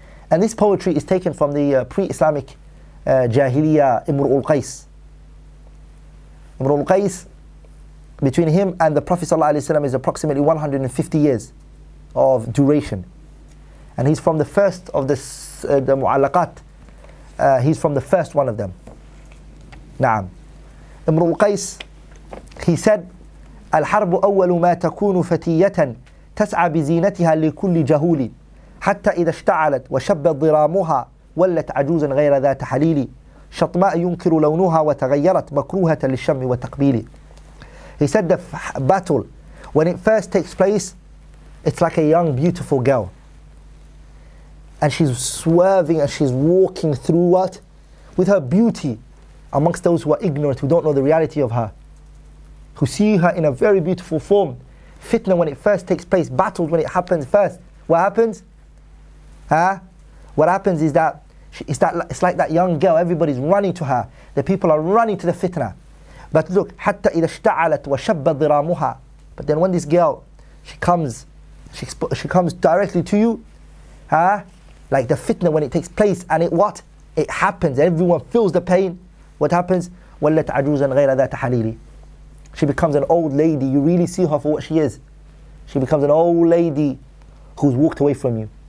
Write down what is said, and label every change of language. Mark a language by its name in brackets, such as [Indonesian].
[English] And this poetry is taken from the pre-Islamic Jahiliyyah Imrul Qais. Imrul Qais, between him and the Prophet ﷺ is approximately 150 years of duration. And he's from the first of the Mu'allaqat. He's from the first one of them. Na'am. [Arabic] Imrul Qais, he said, Al-harbu awwalu ma takunu fatiyatan تسعى بزينتها لكل جهول حتى إذا اشتعلت وشب ضرامها ولت عجوزا غير ذات حليل شطماء ينكر لونها وتغيرت مكروهة للشم وتقبيل. [English] He said the battle, when it first takes place, it's like a young beautiful girl. And she's swerving and she's walking through what? With her beauty amongst those who are ignorant, who don't know the reality of her, who see her in a very beautiful form. Fitna, when it first takes place, battles when it happens first, what happens? Huh? What happens is that, it's like that young girl, everybody's running to her. The people are running to the fitna. But look, حتى إذا اشتعلت وشب ضرامها. But then when this girl, she comes directly to you, huh? like the fitna when it takes place and it what? It happens, everyone feels the pain. What happens? وَلَّتْ عَجُوزًا غَيْرَ ذَا تَحَلِيلٍ. She becomes an old lady, you really see her for what she is. She becomes an old lady who's walked away from you.